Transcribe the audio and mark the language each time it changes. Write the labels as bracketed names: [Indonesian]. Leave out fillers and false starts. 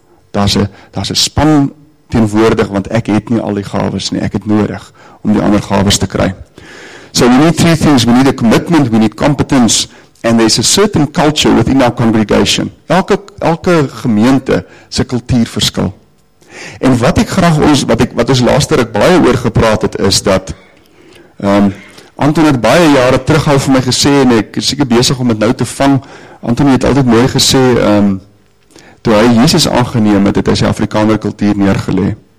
[Afrikaans] Daar's 'n span teenwoordig, want ek het nie al die gawes nie, ek het nodig om die ander gawes te kry. [English] So we need 3 things, we need a commitment, we need competence, and there's a certain culture within our congregation. [Afrikaans] Elke gemeente se kultuur verskil. En wat ek graag ons, wat ons laaste ruk baie oor gepraat het, is dat, Anton het baie jare terug al vir my gesê, en ek is seker besig om dit nou te vang, Anton het altyd mooi gesê, toe hy Jesus aangeneem het, het hy sy Afrikaner kultuur neergelê.